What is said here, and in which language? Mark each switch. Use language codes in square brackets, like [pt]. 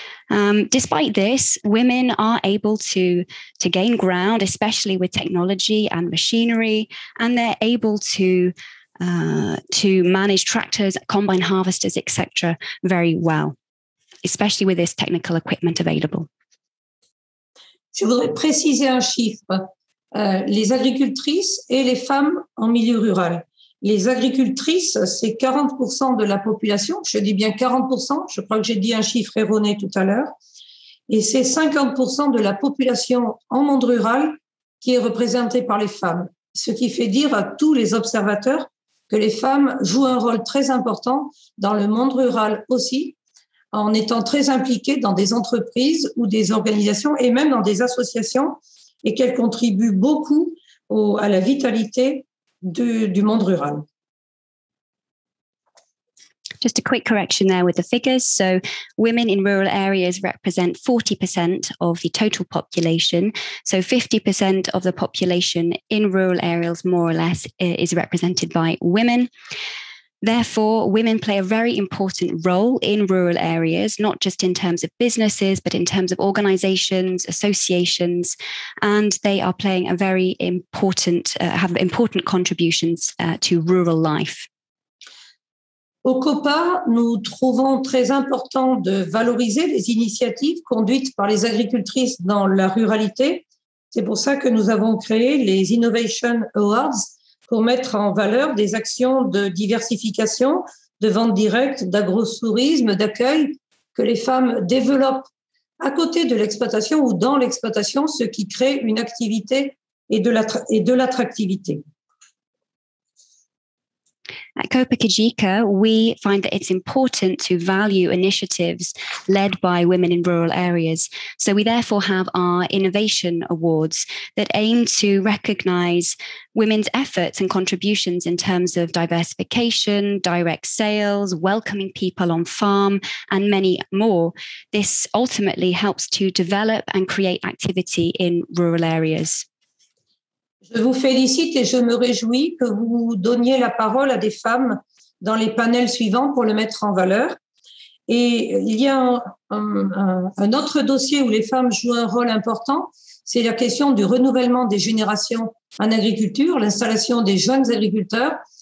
[en] Despite this, women are able to gain ground, especially with technology and machinery, and they're able to manage tractors, combine harvesters, etc., very well, especially with this technical equipment available. [fr] Je voudrais préciser un chiffre. Les agricultrices et les femmes en milieu rural. Les agricultrices, c'est 40% de la population. Je dis bien 40%. Je crois que j'ai dit un chiffre erroné tout à l'heure. Et c'est 50% de la population en monde rural qui est représentée par les femmes. Ce qui fait dire à tous les observateurs que les femmes jouent un rôle très important dans le monde rural aussi, en étant très impliquées dans des entreprises ou des organisations et même dans des associations, et qu'elles contribuent beaucoup à la vitalité du monde rural. [en] Just a quick correction there with the figures. So women in rural areas represent 40% of the total population. So 50% of the population in rural areas, more or less, is represented by women. Therefore, women play a very important role in rural areas, not just in terms of businesses, but in terms of organizations, associations, and they are playing a very important, have important contributions to rural life. [fr] Au COPA, nous trouvons très important de valoriser les initiatives conduites par les agricultrices dans la ruralité. C'est pour ça que nous avons créé les Innovation Awards pour mettre en valeur des actions de diversification, de vente directe, d'agrotourisme, d'accueil que les femmes développent à côté de l'exploitation ou dans l'exploitation, ce qui crée une activité et de l'attractivité. [en] At Copa-Cogeca, we find that it's important to value initiatives led by women in rural areas. So we therefore have our innovation awards that aim to recognize women's efforts and contributions in terms of diversification, direct sales, welcoming people on farm, and many more. This ultimately helps to develop and create activity in rural areas. [fr] Je vous félicite et je me réjouis que vous donniez la parole à des femmes dans les panels suivants pour le mettre en valeur. Et il y a un autre dossier où les femmes jouent un rôle important, c'est la question du renouvellement des générations en agriculture, l'installation des jeunes agriculteurs.